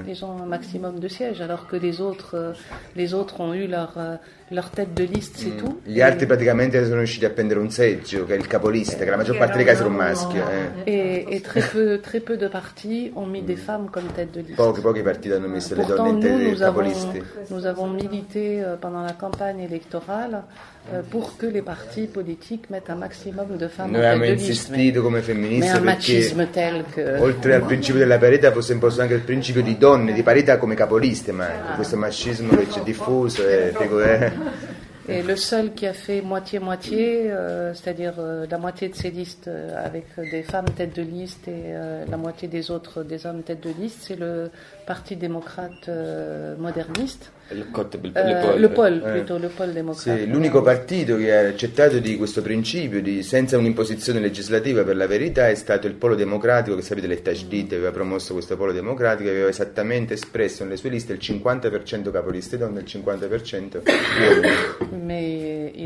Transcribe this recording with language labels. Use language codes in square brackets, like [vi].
[it] Hanno un maximum di seggi, [fr] alors que les autres ont eu leur tête de liste, c'est tout. [it] Gli altri praticamente sono riusciti a prendere un seggio, che è il capolista, che la maggior parte dei casi era un maschio. [fr] E très peu de partis ont mis des femmes comme tête de liste. [it] Pochi partiti hanno messo le donne in tête dei capolisti. [fr] Nous avons milité pendant la campagne électorale pour que les partis politiques mettent un maximum de femmes [it] noi [fr] en tête de liste. [it] Noi abbiamo insistito come femministe perché [fr] tel que [it] oltre al principio della parità fosse imposto anche il principio di donne, di parità come capoliste, ma questo machismo che c'è diffuso è [fr] Et le seul qui a fait moitié-moitié, c'est-à-dire la moitié de ses listes avec des femmes tête de liste et la moitié des autres des hommes tête de liste, c'est le Parti démocrate moderniste. [it] Sì, l'unico partito che ha accettato di questo principio di senza un'imposizione legislativa per la verità è stato il Polo Democratico, che sapete l'Etajdit aveva promosso questo Polo Democratico e aveva esattamente espresso nelle sue liste il 50% capoliste donne e il 50% uomini.